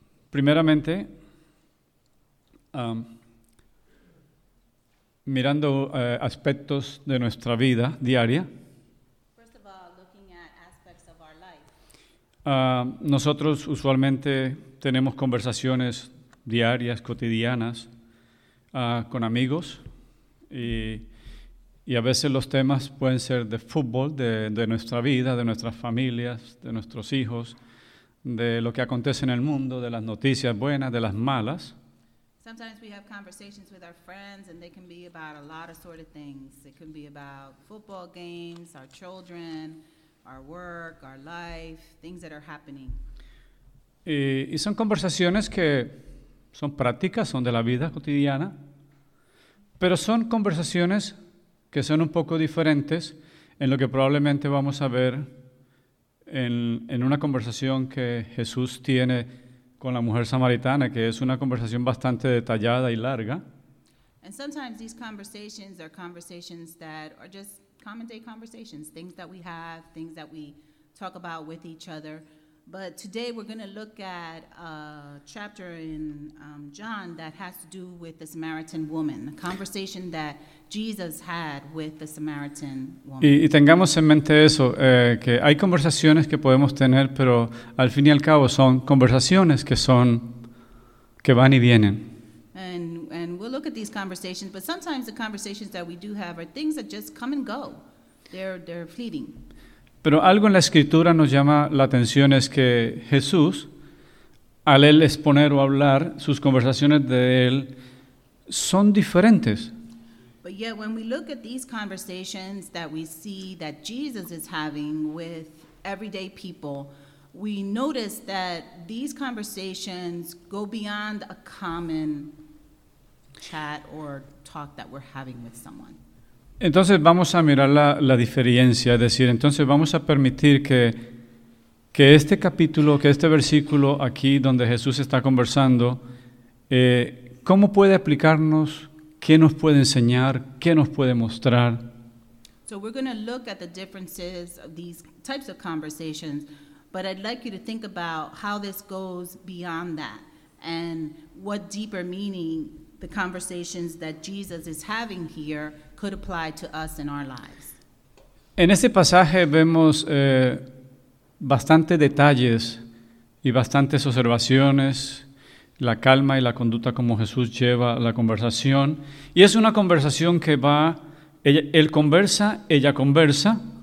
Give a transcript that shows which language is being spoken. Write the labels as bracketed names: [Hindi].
[Spanish] Primeramente, mirando aspectos de nuestra vida diaria. [English] First of all, looking at aspects of our life. [Spanish] Nosotros usualmente tenemos conversaciones diarias, cotidianas, con amigos, y a veces los temas pueden ser de fútbol, de nuestra vida, de nuestras familias, de nuestros hijos, de lo que acontece en el mundo, de las noticias buenas, de las malas. [English] Sometimes we have conversations with our friends, and they can be about a lot of sort of things. It can be about football games, our children, our work, our life, things that are happening. [Spanish] Y son conversaciones que son prácticas, son de la vida cotidiana, pero son conversaciones que son un poco diferentes en lo que probablemente vamos a ver en una conversación que Jesús tiene con la mujer samaritana, que es una conversación bastante detallada y larga. [English] And sometimes these conversations are conversations that are just common day conversations, things that we have, things that we talk about with each other. But today we're going to look at a chapter in John that has to do with the Samaritan woman, a conversation that Jesus had with the Samaritan woman. [Spanish] Y tengamos en mente eso, que hay conversaciones que podemos tener, pero al fin y al cabo son conversaciones que van y vienen. [English] And we'll look at these conversations, but sometimes the conversations that we do have are things that just come and go. They're fleeting. [Spanish] Pero algo en la Escritura nos llama la atención es que Jesús, al él exponer o hablar, sus conversaciones de él son diferentes. [English] But yet when we look at these conversations that we see that Jesus is having with everyday people, we notice that these conversations go beyond a common chat or talk that we're having with someone. [Spanish] Entonces vamos a mirar la diferencia, es decir, entonces vamos a permitir que este capítulo, que este versículo aquí donde Jesús está conversando, ¿cómo puede aplicarnos? ¿Qué nos puede enseñar? ¿Qué nos puede mostrar? [English] So we're going to look at the differences of these types of conversations, but I'd like you to think about how this goes beyond that and what deeper meaning the conversations that Jesus is having here could apply to us in our lives. [Spanish] En este pasaje vemos bastante detalles y bastantes observaciones, la calma y la conducta como Jesús lleva la conversación. Y es una conversación que va, él conversa, ella conversa.